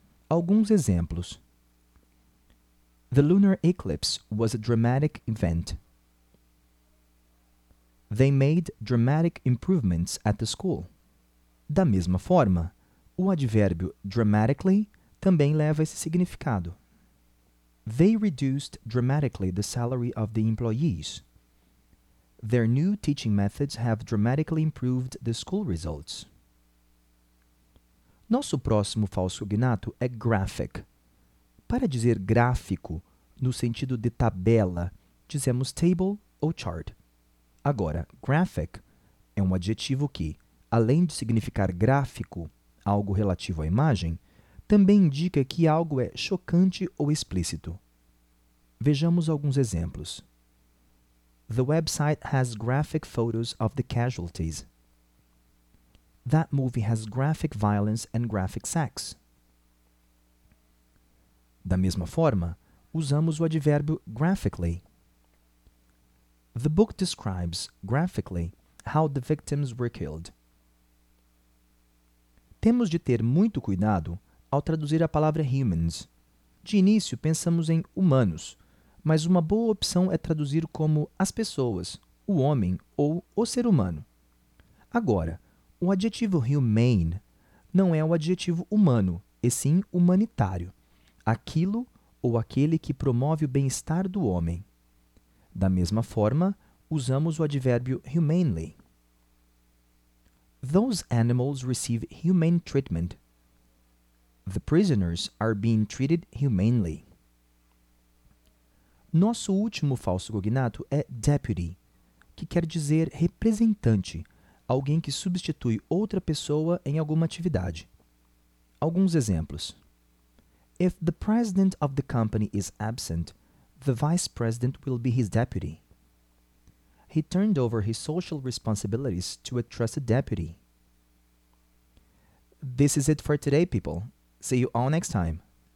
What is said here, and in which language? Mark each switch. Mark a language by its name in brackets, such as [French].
[Portuguese] Alguns exemplos. [English] The lunar eclipse was a dramatic event. They made dramatic improvements at the school. [Portuguese] Da mesma forma, o advérbio dramatically também leva esse significado. [English] They reduced dramatically the salary of the employees. Their new teaching methods have dramatically improved the school results. [Portuguese] Nosso próximo falso cognato é graphic. Para dizer gráfico, no sentido de tabela, dizemos table ou chart. Agora, graphic é um adjetivo que, além de significar gráfico, algo relativo à imagem, também indica que algo é chocante ou explícito. Vejamos alguns exemplos. [English] The website has graphic photos of the casualties. That movie has graphic violence and graphic sex. [Portuguese] Da mesma forma, usamos o advérbio graphically. [English] The book describes, graphically, how the victims were killed. [Portuguese] Temos de ter muito cuidado ao traduzir a palavra humans. De início, pensamos em humanos, mas uma boa opção é traduzir como as pessoas, o homem ou o ser humano. Agora, o adjetivo humane não é o adjetivo humano, e sim humanitário, aquilo ou aquele que promove o bem-estar do homem. Da mesma forma, usamos o advérbio humanely. [English] Those animals receive humane treatment. The prisoners are being treated humanely. [Portuguese] Nosso último falso cognato é deputy, que quer dizer representante, alguém que substitui outra pessoa em alguma atividade. Alguns exemplos. [English] If the president of the company is absent, the vice president will be his deputy. He turned over his social responsibilities to a trusted deputy. This is it for today, people. See you all next time.